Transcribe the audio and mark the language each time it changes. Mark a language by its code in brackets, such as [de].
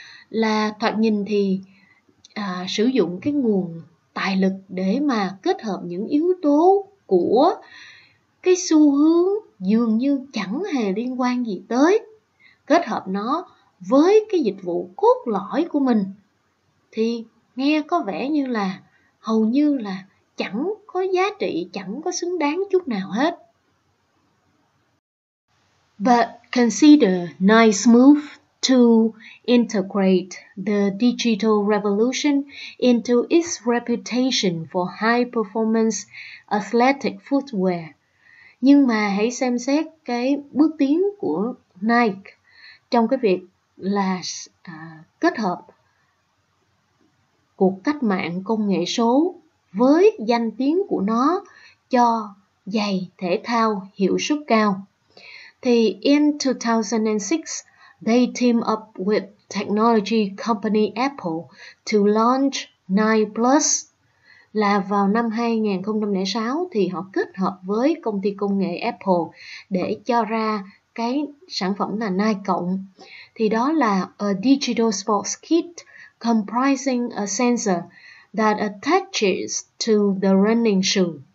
[vi] Là thoạt nhìn thì sử dụng cái nguồn tài lực để mà kết hợp những yếu tố của cái xu hướng dường như chẳng hề liên quan gì tới, kết hợp nó với cái dịch vụ cốt lõi của mình, thì nghe có vẻ như là hầu như là chẳng có giá trị, chẳng có xứng đáng chút nào hết. [en] But consider nice move to integrate the digital revolution into its reputation for high performance athletic footwear. [vi] Nhưng mà hãy xem xét cái bước tiến của Nike trong cái việc là kết hợp cuộc cách mạng công nghệ số với danh tiếng của nó cho giày thể thao hiệu suất cao. [en] Thì in 2006, they team up with technology company Apple to launch Nike Plus. [vi] Là vào năm 2006 thì họ kết hợp với công ty công nghệ Apple để cho ra cái sản phẩm là Nike Cộng. Thì đó là [en] a digital sports kit comprising a sensor that attaches to the running shoe.